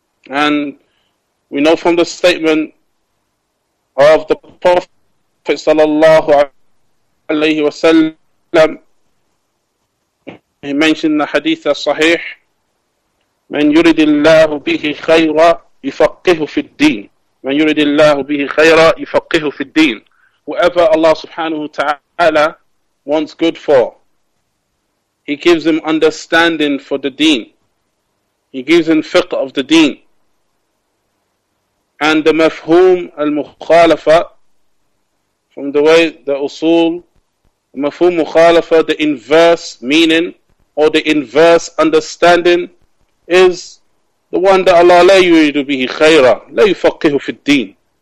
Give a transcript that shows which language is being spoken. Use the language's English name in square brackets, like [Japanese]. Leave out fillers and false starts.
[English] And we know from the statement of the Prophet sallallahu alayhi wasallam, he mentioned the hadith as sahih, [Arabic] من يريد الله به خيرا يفقهه في الدين. من يريد الله به خيرا يفقهه في الدين. [English] Whoever Allah subhanahu wa ta'ala wants good for, He gives him understanding for the deen. He gives him fiqh of the deen. And the mafhum al-mukhalafa, from the way the usul, the mafhum mukhalafa, the inverse meaning or the inverse understanding, is the one that Allah [Arabic] لا يريد به خيرا لا يفقهه في الدين.